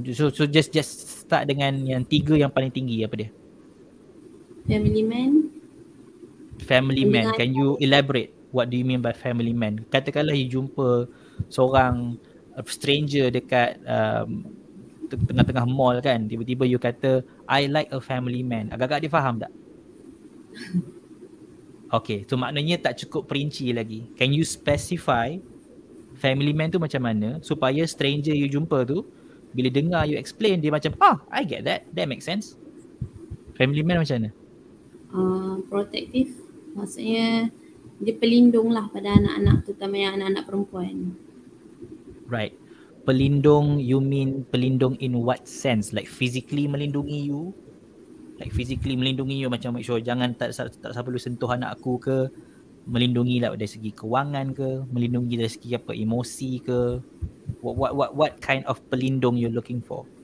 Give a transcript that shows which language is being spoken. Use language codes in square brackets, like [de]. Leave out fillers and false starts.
[en] So just start [ms] dengan yang 3 yang paling tinggi, apa dia? [en] Family man. Can you elaborate? What do you mean by family man? [ms] Katakanlah you jumpa seorang stranger dekat tengah-tengah mall kan. Tiba-tiba you kata, [en] I like a family man. [ms] Agak-agak dia faham tak? Okay, so maknanya tak cukup perinci lagi. [en] Can you specify family man [ms] tu macam mana supaya stranger you jumpa tu bila dengar you explain dia macam, ah, [en] I get that. That makes sense. [ms] Family man macam mana? Protective. Maksudnya dia pelindung lah pada anak-anak, terutama yang anak-anak perempuan. [en] Right. Pelindung, you mean pelindung in what sense? Like physically melindungi you? Like physically [ms] melindungi you, macam make sure jangan tak siapa lu sentuh anak aku ke? Melindungi lah dari segi kewangan ke? Melindungi dari segi apa, emosi ke? [en] What kind of pelindung you looking for?